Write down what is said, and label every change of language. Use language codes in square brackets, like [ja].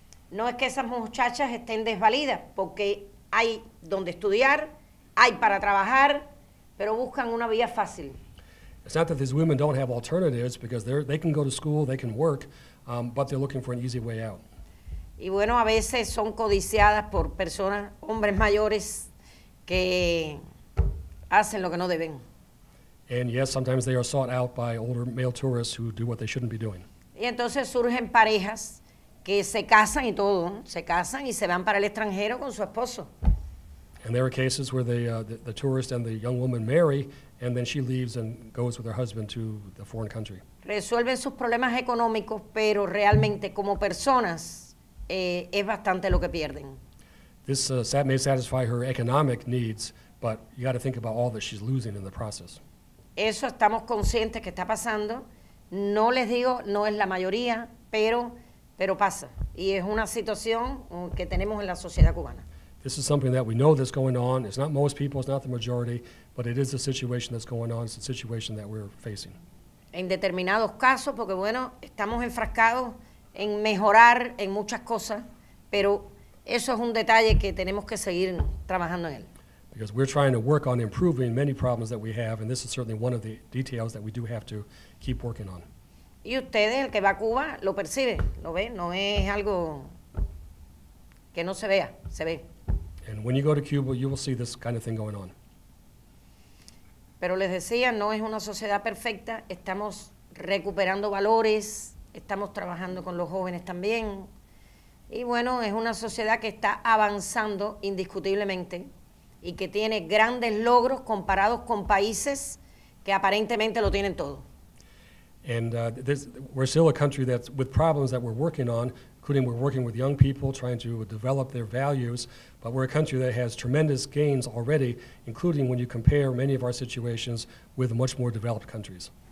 [es] No es que esas muchachas estén desvalidas, porque hay donde estudiar, hay para trabajar, pero buscan una vía fácil. [en] It's not that these women don't have alternatives, because they can go to school, they can work, but they're looking for an easy way out. [es] Y bueno, a veces son codiciadas por personas, hombres mayores, que hacen lo que no deben. [en] And yes, sometimes they are sought out by older male tourists who do what they shouldn't be doing. [es] Y entonces surgen parejas que se casan y todo, se casan y se van para el extranjero con su esposo. [en] And there are cases where the tourist and the young woman marry, and then she leaves and goes with her husband to the foreign country. [es] Resuelven sus problemas económicos, pero realmente como personas es bastante lo que pierden. [en] This may satisfy her economic needs, but you got to think about all that she's losing in the process. [es] Eso estamos conscientes que está pasando. No les digo, no es la mayoría, pero pasa. Y es una situación que tenemos en la sociedad cubana. [en] This is something that we know that's going on. It's not most people, it's not the majority, but it is a situation that's going on. It's a situation that we're facing. [es] En determinados casos, porque bueno, estamos enfrascados en mejorar en muchas cosas, pero eso es un detalle que tenemos que seguir trabajando en él. [en] Because we're trying to work on improving many problems that we have, and this is certainly one of the details that we do have to keep working on. [es] Y ustedes, el que va a Cuba, lo percibe, lo ve, no es algo que no se vea, se ve. [en] And when you go to Cuba, you will see this kind of thing going on. [es] Pero les decía, no es una sociedad perfecta, estamos recuperando valores, estamos trabajando con los jóvenes también, y bueno, es una sociedad que está avanzando indiscutiblemente, y que tiene grandes logros comparados con países que aparentemente lo tienen todo. [en] And we're still a country that's with problems that we're working on, including we're working with young people, trying to develop their values, but we're a country that has tremendous gains already, including when you compare many of our situations with much more developed countries.